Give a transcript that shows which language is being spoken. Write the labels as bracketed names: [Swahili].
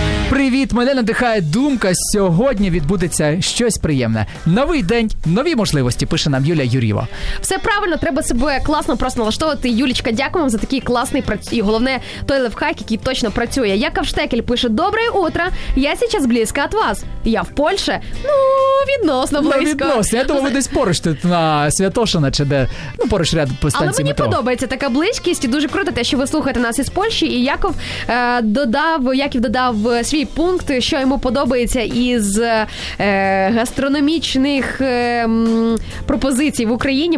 [Ukrainian] Привіт, мене надихає думка, сьогодні відбудеться щось приємне. Новий день, нові можливості, пише нам Юлія Юрієва. Все правильно, треба себе класно просто налаштовувати. Юлічка, дякуємо за такий класний і головне той лайфхак, який точно працює. Яков Штекель пише: [Russian] «Доброе утро, я сейчас близько от вас. Я в Польше». [Ukrainian] Ну, відносно близько. Ну, відносно, я думаю, ви десь поруч тут на Святошина чи де, ну, поруч ряд по станції метро. Але мені подобається така близькість, і дуже круто те, що ви слухаєте нас із Польщі, і Яков додав свій пункт, що йому подобається із гастрономічних пропозицій в Україні.